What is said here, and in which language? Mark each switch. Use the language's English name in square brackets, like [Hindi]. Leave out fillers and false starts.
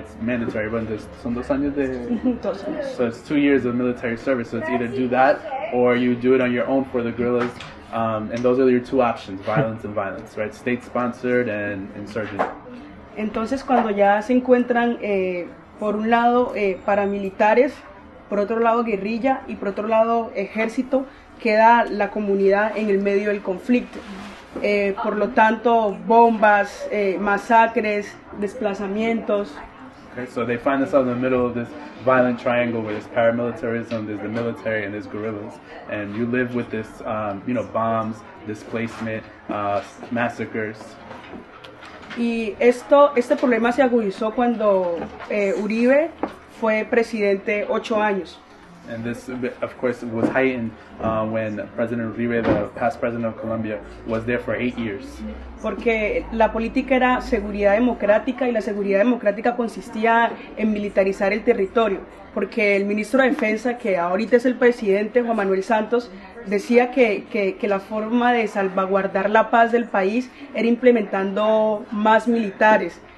[English] It's mandatory, but there's some [Spanish] dos años de... dos años. [English] So it's 2 years of military service, so it's either do that or you do it on your own for the guerrillas. And those are your two options, violence and violence, right? State-sponsored and insurgent. [Spanish] Entonces, cuando ya se encuentran, por un lado, paramilitares, por otro lado, guerrilla, y por otro lado, ejército, queda la comunidad en el medio del conflicto. Por lo tanto, bombas, masacres, desplazamientos. [English] Okay, so they find themselves in the middle of this violent triangle where there's paramilitarism, there's the military, and there's guerrillas. And you live with this, you know, bombs, displacement, massacres. [Spanish] Y este problema se agudizó cuando Uribe fue presidente 8 años. [English] And this, of course, was heightened when President Uribe, the past president of Colombia, was there for 8 years. [Spanish] Porque la política era seguridad democrática, y la seguridad democrática consistía en militarizar el territorio. Porque el ministro de Defensa, que ahorita es el presidente, Juan Manuel Santos, decía que la forma de salvaguardar la paz del país era implementando más militares.